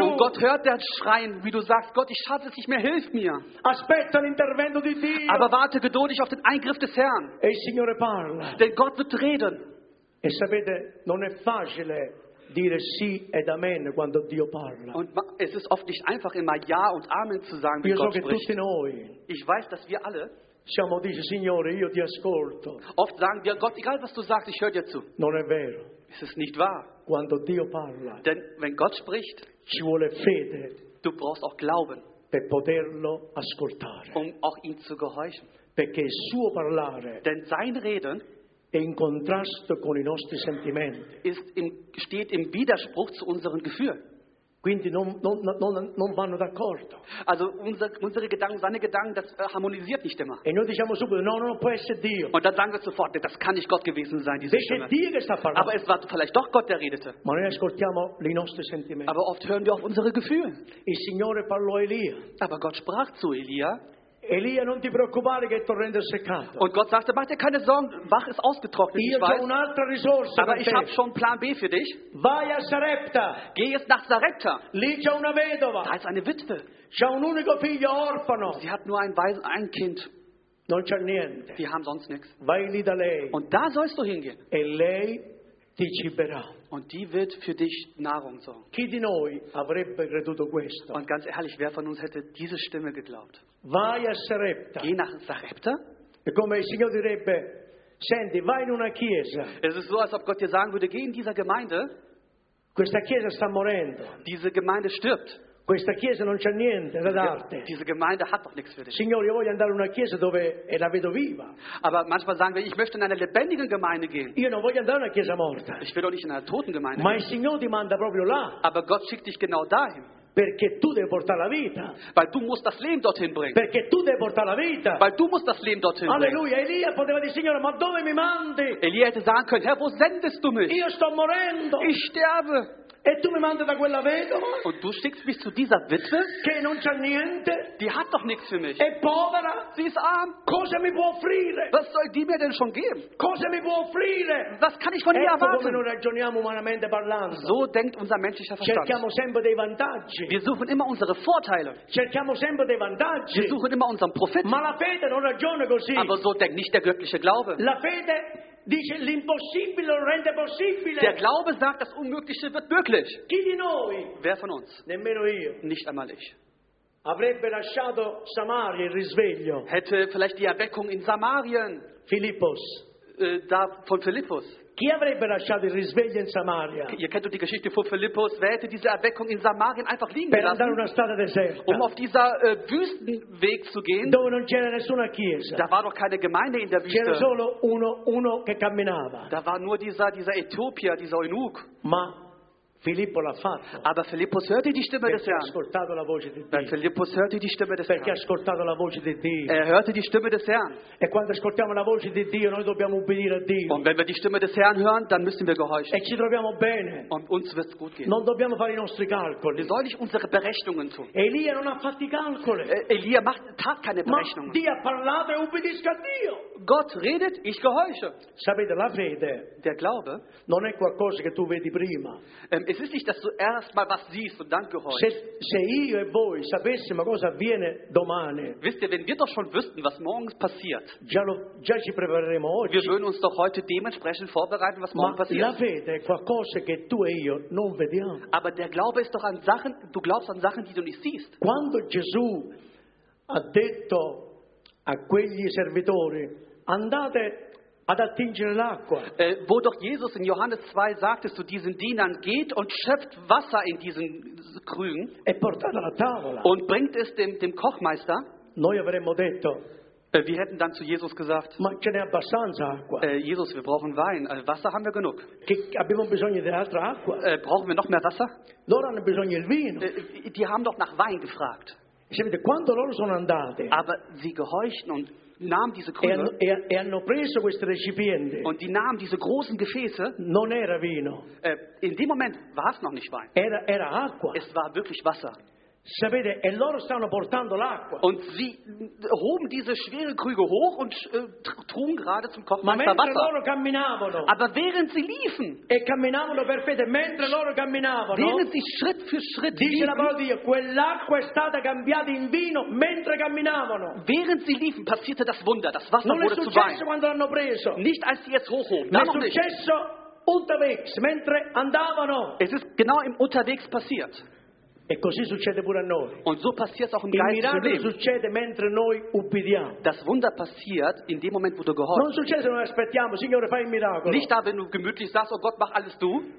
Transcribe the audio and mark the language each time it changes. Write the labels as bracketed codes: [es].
[de] Und Gott hört dein Schreien, wie du sagst, Gott, ich schaffe es nicht mehr, hilf mir. [it] Aspetta l'intervento di Dio. [de] Aber warte geduldig auf den Eingriff des Herrn. [it] E il Signore parla. [de] Denn Gott wird reden. [it] E sapete, non è facile dire sì ed amen quando Dio parla. [de] Und es ist oft nicht einfach immer ja und amen zu sagen, wenn Gott spricht. [it] Noi, [de] ich weiß, dass wir alle [it] siamo dice, Signore, io ti ascolto. [de] Oft sagen wir, Gott, egal was du sagst, ich höre dir zu. [it] Non è vero. [de] Es ist nicht wahr. [it] Quando Dio parla, [de] denn wenn Gott spricht, [it] ci vuole fede, [de] du brauchst auch Glauben, [it] per poterlo ascoltare, [de] um auch ihm zu gehorchen. [it] Perché il suo parlare, [de] denn sein Reden, [it] è in contrasto con i nostri sentimenti. [de] Steht im Widerspruch zu unseren Gefühlen. [it] Quindi non vanno d'accordo. [de] Also unsere Gedanken, seine Gedanken, das harmonisiert nicht immer. [it] E noi diciamo subito, no, può essere Dio. [de] Und dann sagen wir sofort, das kann nicht Gott gewesen sein, diese Stimme. [it] Dio che sta parlando. [de] Aber es war vielleicht doch Gott, der redete. [it] Ma noi ascoltiamo i nostri sentimenti. [de] Aber oft hören wir auf unsere Gefühle. [it] Il Signore parlò a Elia. [de] Aber Gott sprach zu Elia. [it] Elia, non ti preoccupare che il torrente è seccato. [de] Und Gott sagte, mach dir keine Sorgen, Bach ist ausgetrocknet. [it] Io ho un'altra risorsa. [de] Aber ich habe schon Plan B für dich. [it] Vai a Sarepta. [de] Geh jetzt nach Sarepta. [it] Lì c'è una vedova. [de] Da ist eine Witwe. [it] C'è un unico figlio orfano. [de] Sie hat nur ein Kind. [it] Non c'è niente. [de] Die haben sonst nichts. [it] Vai lì da lei. [de] Und da sollst du hingehen. [it] E lei ti ciberà. [de] Und die wird für dich Nahrung sorgen. [it] Chi di noi avrebbe creduto questo? [de] Und ganz ehrlich, wer von uns hätte diese Stimme geglaubt? [it] Vai a Sarepta. [de] Geh nach Sarepta. [it] E come il Signore direbbe, senti, vai in una chiesa. [de] Es ist so, als ob Gott dir sagen würde, geh in dieser Gemeinde. [it] Questa chiesa sta morendo. [de] Diese Gemeinde stirbt. [it] Questa chiesa non c'ha niente da darti. [de] Diese Gemeinde hat doch nichts für dich. [it] Signore, io voglio andare in una chiesa dove è la vedo viva. [de] Aber manchmal sagen wir, ich möchte in eine lebendige Gemeinde gehen. [it] Io non voglio andare in una chiesa morta. [de] Ich will doch nicht in einer toten Gemeinde. [it] Ma il Signore ti manda proprio là. [de] Aber Gott schickt dich genau dahin. [it] Perché tu devi portare la vita. [de] Weil du musst das Leben dorthin bringen. [it] Perché tu devi portare la vita. [de] Weil du musst das Leben dorthin bringen. Alleluia. [it] Elia poteva dire, Signore, ma dove mi mandi? [de] Elia hätte sagen können, Herr, wo sendest du mich? [it] Io sto morendo. [de] Ich sterbe. [it] E tu mi mandi da quella vedova? [de] Und du schickst mich zu dieser Witwe? [it] Che non c'ha niente? [de] Die hat doch nichts für mich. [it] È povera? [de] Sie ist arm. [it] Cosa mi può offrire? [de] Was soll die mir denn schon geben? [it] Cosa mi può offrire? [de] Was kann ich von ihr erwarten? [it] Come noi ragioniamo umanamente parlando. [de] So denkt unser menschlicher Verstand. [it] Cerchiamo sempre dei vantaggi. [de] Wir suchen immer unsere Vorteile. [it] Cerchiamo sempre dei vantaggi. [de] Wir suchen immer unseren Profit. [it] Ma la fede non ragiona così. [de] Aber so denkt nicht der göttliche Glaube. [it] La fede dice l'impossibile rende possibile. [de] Der Glaube sagt, das Unmögliche wird möglich. [it] Chi di noi? [de] Wer von uns? [it] Nemmeno io. [de] Nicht einmal ich. [it] Avrebbe lasciato Samaria il risveglio. [de] Hätte vielleicht die Erweckung in Samarien. Philippus. Da von Philippus. [it] Chi avrebbe lasciato il risveglio in Samaria? [de] Ihr kennt die Geschichte von Philippus. Wer hätte diese Erweckung in Samarien einfach liegen [it] per [de] gelassen? [it] Per andare una strada deserta. [de] Um auf dieser Wüstenweg zu gehen. [it] Dove non c'era nessuna chiesa. [de] Da war doch keine Gemeinde in der Wüste. [it] C'era solo uno che camminava. [de] Da war nur dieser Äthiopier, dieser Eunuch. [it] Ma Filippo l'ha fatto. [de] Aber Philippus hörte die Stimme [it] perché [de] des Herrn. [it] Ha ascoltato la voce di Dio. [de] Weil Philippus hörte die Stimme des [it] perché [de] Herrn. [it] Ha ascoltato la voce di Dio. [de] Er hörte die Stimme des Herrn. [it] E quando ascoltiamo la voce di Dio, noi dobbiamo obbedire a Dio. [de] Und wenn wir die Stimme des Herrn hören, dann müssen wir gehorchen. [it] E ci troviamo bene. [de] Und uns wird's gut gehen. [it] Non dobbiamo fare i nostri calcoli. [de] Wir sollen nicht unsere Berechnungen tun. [it] Elia non ha fatto i calcoli. [de] Elia tat keine Berechnungen. [it] Ma Dio ha parlato e ubbidisco a Dio. [de] Gott redet, ich gehorche. [it] Sapete, la fede. [de] Der Glaube. [it] Non è qualcosa che tu vedi prima. [de] Es ist nicht, dass du erst mal was siehst und dann gehorchst. [it] Se io e voi sapessimo cosa avviene domani. [de] Wisst ihr, wenn wir doch schon wüssten, was morgens passiert. [it] Già ci prepareremo oggi. [de] Wir würden uns doch heute dementsprechend vorbereiten, was morgen passiert. [it] La fede è qualcosa che tu e io non vediamo. [de] Aber der Glaube ist doch an Sachen, du glaubst an Sachen, die du nicht siehst. [it] Quando Gesù ha detto a quegli servitori, andate ad attingere l'acqua. [de] Wo doch Jesus in Johannes 2 sagte zu diesen Dienern, geht und schöpft Wasser in diesen Krügen [it] e portate alla tavola. [de] Und bringt es dem Kochmeister. [it] Noi avremmo detto, [de] wir hätten dann zu Jesus gesagt, [it] ma ce n'è abbastanza acqua. [de] Jesus, wir brauchen Wein, Wasser haben wir genug. [it] Che abbiamo bisogno di altra acqua. [de] Brauchen wir noch mehr Wasser? [it] Loro hanno bisogno del vino. [de] Die haben doch nach Wein gefragt. [it] Quando loro sono andate, [de] aber sie gehorchten und nahmen diese Krüge, [it] er hanno preso questi recipienti, [de] und die nahmen diese großen Gefäße, [it] non era vino. [de] In dem Moment war es noch nicht Wein. [it] Era acqua. [de] Es war wirklich Wasser. [it] Sapete, e loro stavano portando l'acqua. [de] Und sie hoben diese schweren Krüge hoch und trugen gerade zum Kochmeister [it] Ma mentre loro camminavano, [de] aber während sie liefen, [it] e camminavano per fede, mentre loro camminavano, [de] während sie Schritt für Schritt liefen, [it] dice la parola di Dio, quell'acqua è stata cambiata in vino mentre camminavano. [de] Während sie liefen, passierte das Wunder, das Wasser wurde zu Wein. [it] Non è successo quando l'hanno preso. [de] Nicht als sie es hochhoben. [it] Non è successo unterwegs, mentre andavano. [de] Es ist genau im unterwegs passiert. [it] E così succede pure a noi. [de] Und so passiert auch im Geist. [it] Il miracolo succede mentre noi ubbidiamo. [de] Das Wunder passiert in dem Moment, wo du gehorchst. [it] Non succede se noi aspettiamo, Signore, fai il miracolo. [de] Nicht da, wenn du gemütlich sagst, oh Gott, mach alles du.